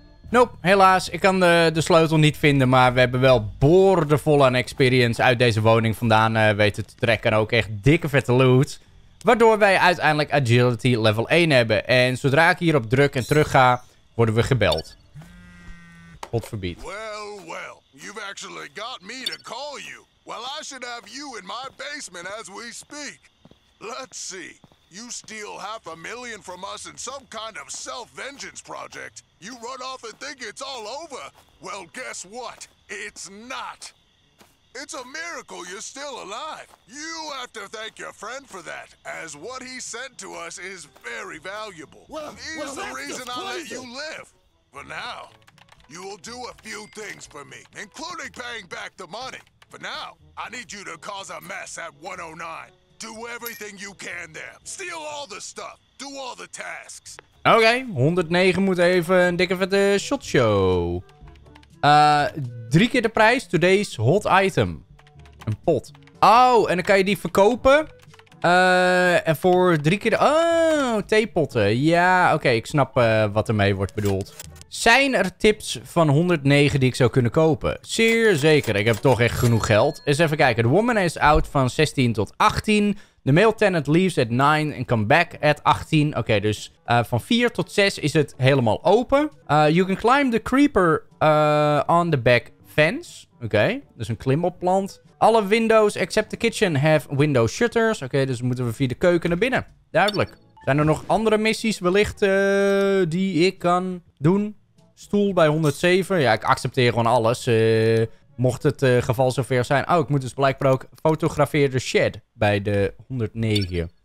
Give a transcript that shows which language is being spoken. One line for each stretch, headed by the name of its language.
Dutch: Nope, helaas. Ik kan de sleutel niet vinden. Maar we hebben wel boordevol aan experience uit deze woning vandaan weten te trekken. En ook echt dikke vette loot. Waardoor wij uiteindelijk agility level 1 hebben. En zodra ik hier op druk en terug ga, worden we gebeld. God verbied.
English: Well, well. You've actually got me to call you. Well, I should have you in my basement as we speak. Let's see. You steal half a million from us in some kind of self-vengeance project. You run off and think it's all over. Well, guess what? It's not. It's a miracle you're still alive. You have to thank your friend for that, as what he said to us is very valuable. Well, he is the reason I let you live. For now, you will do a few things for me, including paying back the money. For now, I need you to cause a mess at 109. Do everything you can there. Steal all the stuff. Do all the tasks.
Dutch: Okay, 109 moet even een dikke vette shotshow. Drie keer de prijs.
English: Today's hot item.
Dutch: Een pot. Oh, en dan kan je die verkopen. En voor drie keer de... Oh, theepotten. Ja, oké, ik snap wat ermee wordt bedoeld. Zijn er tips van 109 die ik zou kunnen kopen? Zeer zeker. Ik heb toch echt genoeg geld. Eens even kijken.
English: The woman is out
Dutch: van 16 tot 18.
English: The male tenant leaves at 9 and come back at 18.
Dutch: Oké, dus van 4 tot 6 is het helemaal open.
English: You can climb the creeper on the back fence.
Dutch: Oké, dus een klimopplant.
English: Alle windows except the kitchen have window shutters.
Dutch: Oké, dus moeten we via de keuken naar binnen. Duidelijk. Zijn er nog andere missies wellicht die ik kan doen? Stoel bij 107. Ja, ik accepteer gewoon alles. Mocht het geval zover zijn. Oh, ik moet dus blijkbaar ook fotograferen de shed bij de 109.